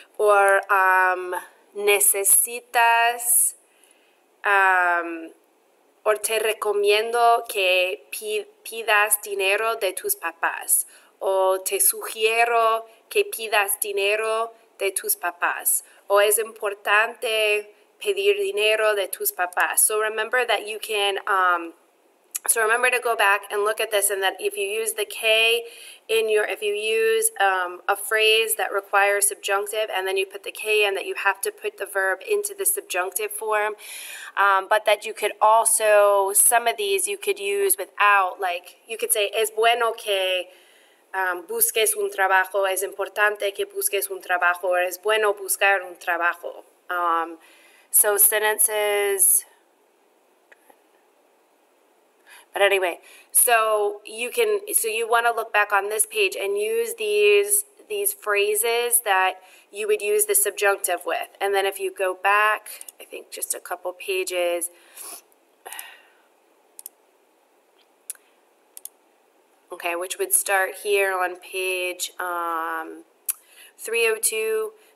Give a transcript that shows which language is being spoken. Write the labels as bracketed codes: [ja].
[es] Or, necesitas, o te recomiendo que pidas dinero de tus papás, o te sugiero que pidas dinero de tus papás, o es importante pedir dinero de tus papás. [en] So remember that you can, so remember to go back and look at this, and that if you use the K in your, if you use a phrase that requires subjunctive and then you put the K in, that you have to put the verb into the subjunctive form, but that you could also, some of these you could use without, like you could say, [es] es bueno que busques un trabajo, es importante que busques un trabajo, or es bueno buscar un trabajo. [en] So sentences, but anyway, so you want to look back on this page and use these phrases that you would use the subjunctive with. And then if you go back, I think just a couple pages, okay, which would start here on page 302.